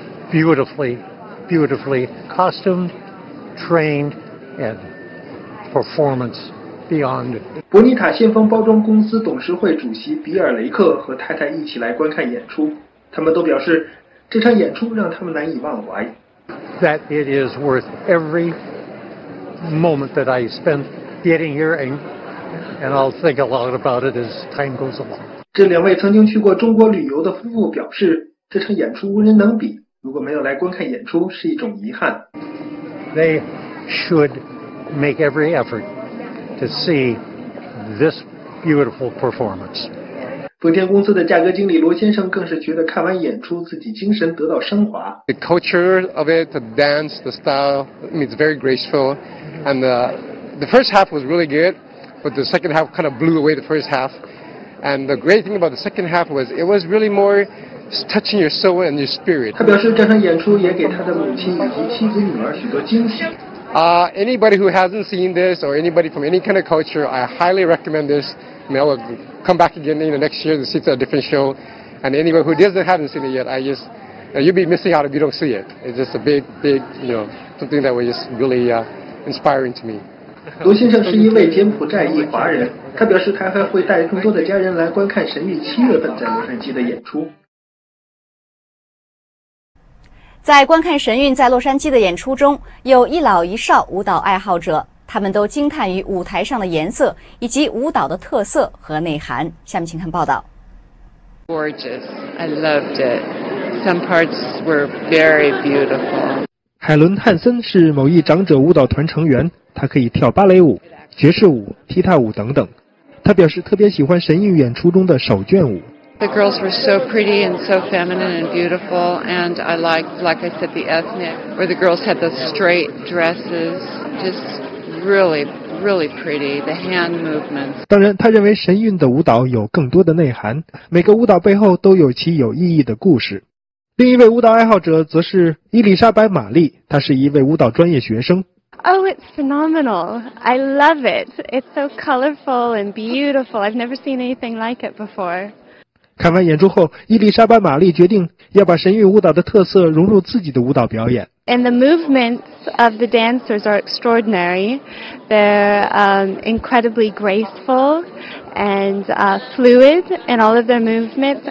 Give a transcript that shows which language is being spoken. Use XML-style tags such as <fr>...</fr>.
<en>Beautifully, beautifully costumed, trained and performance. Beyond.</en> <zh>伯尼卡先锋包装公司董事会主席比尔·雷克和太太一起来观看演出，他们都表示这场演出让他们难以忘怀。</zh> <en>That it is worth every moment that I spent getting here and I'll think a lot about it as time goes along.</en> <zh>这两位曾经去过中国旅游的夫妇表示，这场演出无人能比，如果没有来观看演出是一种遗憾。</zh> <en>They should make every effort.To see this beautiful performance.</en> <zh>丰田公司的价格经理罗先生更是觉得看完演出自己精神得到升华。</zh> <en>The culture of it, the dance, the style, I mean, it's very graceful. And the first half was really good, but the second half kind of blew away the first half. And the great thing about the second half was it was really more touching your soul and your spirit.</en> <zh>他表示这场演出也给他的母亲以及妻子女儿许多惊喜。</zh> <en>Anybody who hasn't seen this or anybody from any kind of culture, I highly recommend this. I mean, I will come back again in the next year to see a different show. And anyone who doesn't, haven't seen it yet, I just, you'll be missing out if you don't see it. It's just a big, big, you know, something that was just really inspiring to me.</en> <zh>罗先生是一位柬埔寨裔华人，他表示他还会带更多的家人来观看神韵七月份在洛杉矶的演出。在观看神韵在洛杉矶的演出中，有一老一少舞蹈爱好者，他们都惊叹于舞台上的颜色以及舞蹈的特色和内涵。下面请看报道。</zh> <en>Gorgeous, I loved it. Some parts were very beautiful.</en> <zh>海伦·汉森是某一长者舞蹈团成员，他可以跳芭蕾舞、爵士舞、踢踏舞等等。他表示特别喜欢神韵演出中的手绢舞。</zh> <en>The girls were so pretty and so feminine and beautiful, and I like I said, the ethnic, where the girls had the straight dresses, just really, really pretty, the hand movements.</en> <zh>当然，他认为神韵的舞蹈有更多的内涵，每个舞蹈背后都有其有意义的故事。另一位舞蹈爱好者则是伊丽莎白·玛丽，她是一位舞蹈专业学生。</zh> <en>Oh, it's phenomenal. I love it. It's so colorful and beautiful. I've never seen anything like it before.</en> <zh>看完演出后，伊丽莎白·玛丽决定要把神韵舞蹈的特色融入自己的舞蹈表演。</zh> <en>And the movements of the dancers are extraordinary. They're incredibly graceful and fluid in all of their movements.</en>